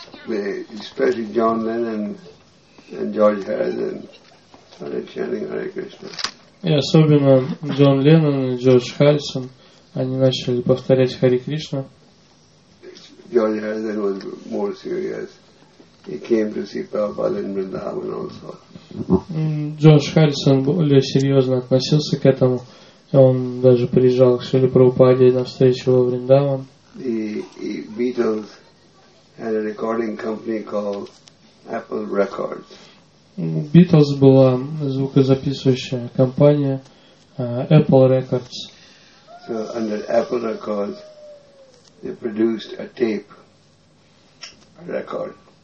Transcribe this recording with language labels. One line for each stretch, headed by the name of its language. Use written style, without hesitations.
English: Especially John Lennon and George Harrison started chanting Hare Krishna.
Russian: И особенно Джон Леннон и Джордж Харрисон, они начали повторять Харе Кришна.
English: Джордж Харрисон was more serious. He came to see Prabhupada in Vrindavan also.
Russian: Джордж Харрисон более серьезно относился к этому. Он даже приезжал к Шриле Прабхупаде на встречу во Вриндаван.
English: The Beatles had a recording company called Apple Records.
Russian: Beatles была звукозаписывающая компания Apple Records.
English: So under Apple Records, they produced a tape record.